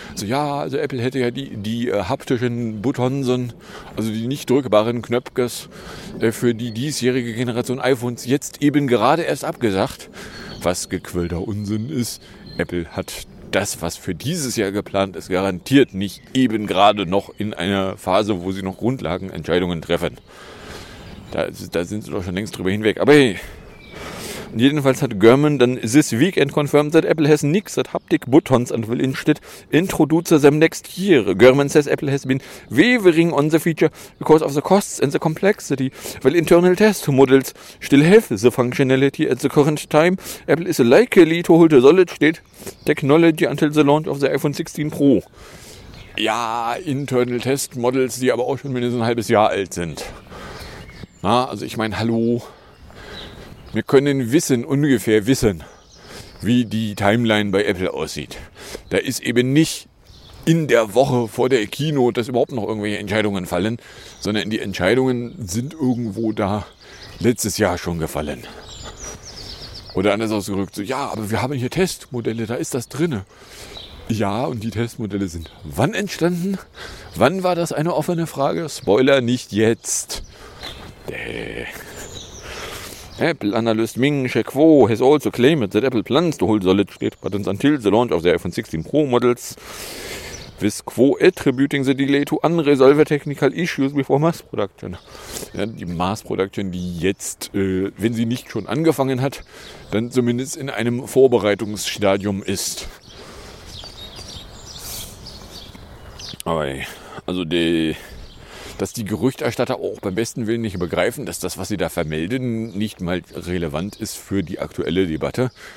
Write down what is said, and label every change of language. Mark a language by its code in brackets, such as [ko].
[de] So, ja, also Apple hätte ja die haptischen Buttons, also die nicht drückbaren Knöpkes für die diesjährige Generation iPhones jetzt eben gerade erst abgesagt. Was gequälter Unsinn ist. Apple hat das, was für dieses Jahr geplant ist, garantiert nicht eben gerade noch in einer Phase, wo sie noch Grundlagenentscheidungen treffen. Da sind sie doch schon längst drüber hinweg. Aber hey, jedenfalls hat [en] German [de] dann [en] this weekend confirmed that Apple has nix that haptic buttons and will instead introduce them next year. German says Apple has been wavering on the feature because of the costs and the complexity, while internal test models still have the functionality at the current time. Apple is likely to hold a solid state technology until the launch of the iPhone 16 Pro. [de] Ja, [en] internal test models, [de] die aber auch schon mindestens ein halbes Jahr alt sind. Na, also ich meine, hallo. Wir können ungefähr wissen, wie die Timeline bei Apple aussieht. Da ist eben nicht in der Woche vor der Keynote, dass überhaupt noch irgendwelche Entscheidungen fallen, sondern die Entscheidungen sind irgendwo da letztes Jahr schon gefallen. Oder anders ausgedrückt, so, ja, aber wir haben hier Testmodelle, da ist das drinne. Ja, und die Testmodelle sind wann entstanden? Wann war das eine offene Frage? Spoiler, nicht jetzt. [en] Apple-Analyst Ming-She Kuo has also claimed that Apple plans to hold solid-state buttons until the launch of the iPhone 16 Pro models, with Kuo attributing the delay to unresolved technical issues before mass production. [de] Ja, die Mass Production, die jetzt, wenn sie nicht schon angefangen hat, dann zumindest in einem Vorbereitungsstadium ist. Aber also die... Dass die Gerüchterstatter auch beim besten Willen nicht begreifen, dass das, was sie da vermelden, nicht mal relevant ist für die aktuelle Debatte.